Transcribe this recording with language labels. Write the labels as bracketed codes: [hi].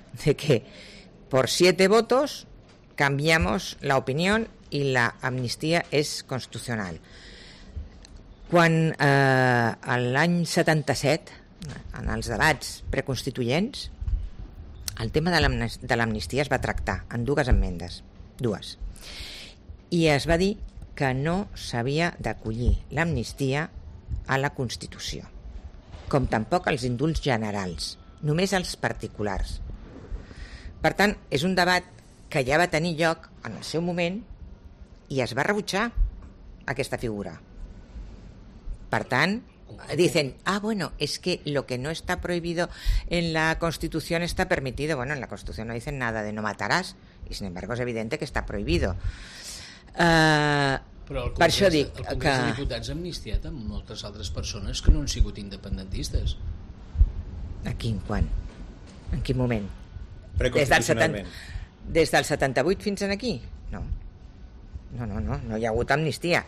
[es] De que por 7 votos cambiamos la opinión y la amnistía es constitucional. [ca] Quan l'any 77 en els debats preconstituents, el tema de l'amnistia es va tractar en dues emendes, dues. I es va dir que no s'havia d'acollir l'amnistia a la Constitució, com tampoc als indults generals, només als particulars. Per tant, és un debat que ja va tenir lloc en el seu moment i es va rebutjar aquesta figura. Per tant, [es] dicen, ah, bueno, es que lo que no está prohibido en la Constitución está permitido. Bueno, en la Constitución no dicen nada de no matarás, y sin embargo es evidente que está prohibido. [ca] Però el Congrés, per dic, el Congrés de Diputats ha amnistiat amb moltes altres persones que no han sigut independentistes. A quin quan? En quin moment? Preconstitucionalment. Des del 78 fins en aquí? No. No hi ha hagut amnistia.